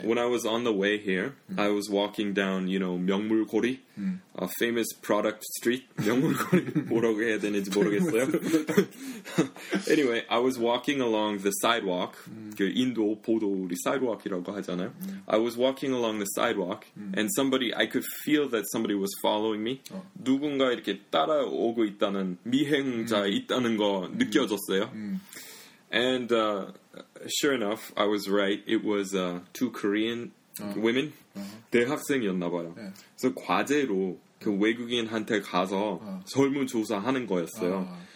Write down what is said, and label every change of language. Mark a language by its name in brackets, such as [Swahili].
[English] When I was on the way here, I was walking down, you know, 명물고리, a famous product street. [Korean] 명물고리 뭐라고 해야 되는지 모르겠어요. [English] Anyway, I was walking along the sidewalk. [Korean] 그 인도 보도 우리 sidewalk이라고 하잖아요. [English] I was walking along the sidewalk, and somebody, I could feel that somebody was following me. [Korean] 누군가 이렇게 따라오고 있다는 미행자 있다는 거 느껴졌어요. [English] And sure enough, I was right. It was two Korean women. [Korean] 대학생이었나 봐요. 네. 그래서 과제로 그 외국인한테 가서 설문조사하는 거였어요.